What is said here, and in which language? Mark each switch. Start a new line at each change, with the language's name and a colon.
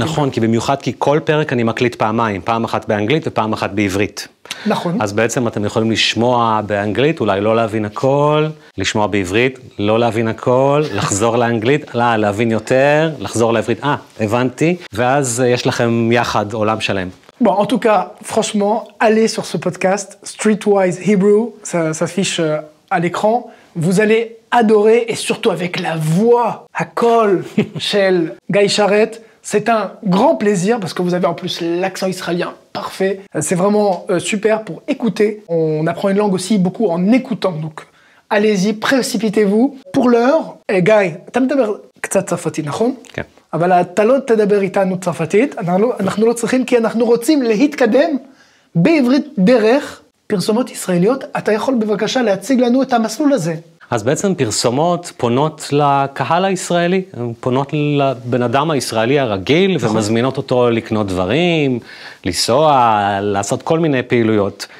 Hebrew: נכון, כי במיוחד כי כל פרק אני מקליט פעמיים, פעם אחת באנגלית ופעם אחת בעברית. נכון. אז בעצם אתם יכולים לשמוע באנגלית, אולי לא להבין הכל, לשמוע בעברית, לא להבין הכל, לחזור לאנגלית, להבין יותר, לחזור לעברית, הבנתי, ואז יש לכם יחד עולם שלם.
French: Bon, en tout cas, franchement, allez sur ce podcast, Streetwise Hebrew, ça s'affiche à l'écran. Vous allez adorer, et surtout avec la voix à col chez Guy Charet. C'est un grand plaisir, parce que vous avez en plus l'accent israélien parfait. C'est vraiment super pour écouter. On apprend une langue aussi beaucoup en écoutant, donc allez-y, précipitez-vous. Pour l'heure, et Guy, tu me demandes
Hebrew: קצת צרפתית, נכון? כן. אבל אתה לא תדבר איתנו צרפתית, אנחנו לא צריכים, כי אנחנו רוצים להתקדם בעברית דרך פרסומות ישראליות. אתה יכול בבקשה להציג לנו את המסלול הזה. אז בעצם פרסומות פונות לקהל הישראלי, פונות לבן אדם הישראלי הרגיל, ומזמינות אותו לקנות דברים, לנסוע, לעשות כל מיני פעילויות.